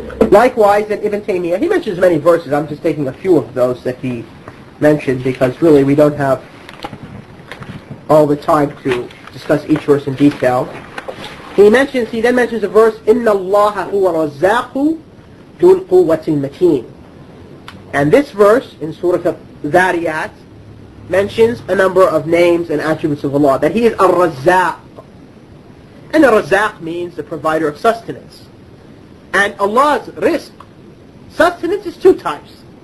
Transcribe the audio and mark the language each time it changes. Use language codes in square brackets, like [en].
[en] Likewise, in Ibn Taymiyyah, he mentions many verses. I'm just taking a few of those that he mentioned, because really we don't have all the time to discuss each verse in detail. He then mentions a verse, [ar] إِنَّ اللَّهَ هُوَ الرَّزَّاقُ ذُو الْقُوَّةِ الْمَتِينُ. [en] And this verse in Surah Al-Zariyat mentions a number of names and attributes of Allah, that He is الرزاق. And الرزاق means the provider of sustenance. And Allah's rizq, sustenance is two types.